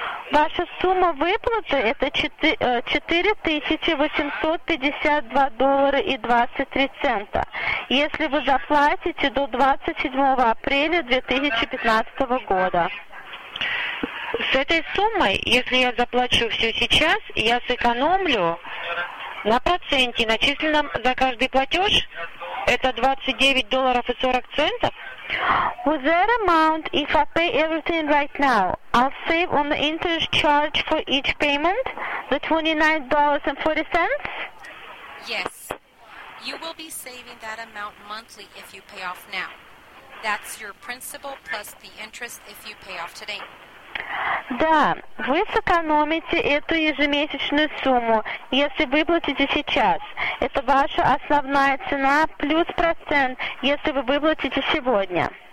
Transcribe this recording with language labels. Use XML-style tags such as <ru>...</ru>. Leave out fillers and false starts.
<ru>Ваша сумма выплаты это $4,852.23, если вы заплатите до 27 апреля 2015 года. С этой суммой, если я заплачу все сейчас, я сэкономлю на проценте, начисленном за каждый платеж, это $29.40.</ru> <en>With that amount, if I pay everything right now, I'll save on the interest charge for each payment, the $29.40? Yes. You will be saving that amount monthly if you pay off now. That's your principal plus the interest if you pay off today.</en> <ru>Да, вы сэкономите эту ежемесячную сумму, если выплатите сейчас. Это ваша основная цена плюс процент, если вы выплатите сегодня.</ru>